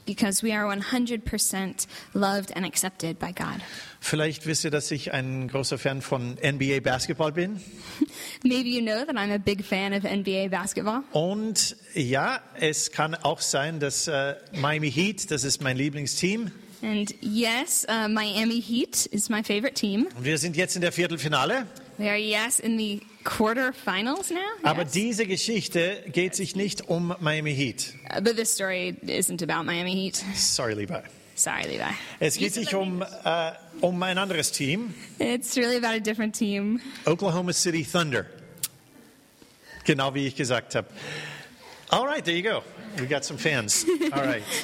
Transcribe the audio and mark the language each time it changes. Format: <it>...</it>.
<en>Because we are 100% loved and accepted by God.</en> <de>Vielleicht wisst ihr, dass ich ein großer Fan von NBA Basketball bin.</de> <en>Maybe you know that I'm a big fan of NBA basketball.</en> <de>Und ja, es kann auch sein, dass Miami Heat, das ist mein Lieblingsteam.</de> <en>And yes, Miami Heat is my favorite team.</en> <de>Und wir sind jetzt in der Viertelfinale.</de> <en>We are yes in the quarterfinals now.</en> <de>Aber</de> <en>yes.</en> <de>Diese Geschichte geht sich nicht um Miami Heat.</de> <en>But this story isn't about Miami Heat. Sorry, Levi. Sorry, Levi.</en> <de>Es geht sich um ein anderes Team.</de> <en>It's really about a different team. Oklahoma City Thunder.</en> <de>Genau wie ich gesagt habe.</de> <en>All right, there you go. We got some fans. All right.</en>